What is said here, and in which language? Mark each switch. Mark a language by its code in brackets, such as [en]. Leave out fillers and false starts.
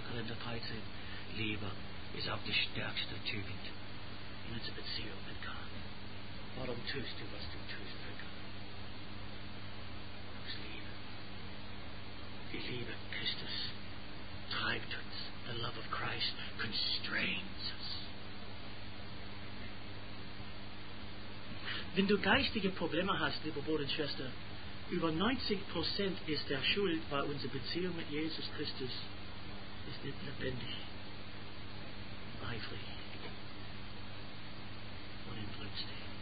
[de] Korinther 13, Liebe ist auch die stärkste Tugend in unserer Beziehung mit Gott. Warum tust du, was du tust für Gott? Aus Liebe. Die Liebe Christus treibt uns. [en] The love of Christ constrains us. [de] Wenn du geistige Probleme hast, liebe Bruder und Schwester, über 90% ist der Schuld, weil unsere Beziehung mit Jesus Christus ist nicht lebendig, eifrig und inbrünstig.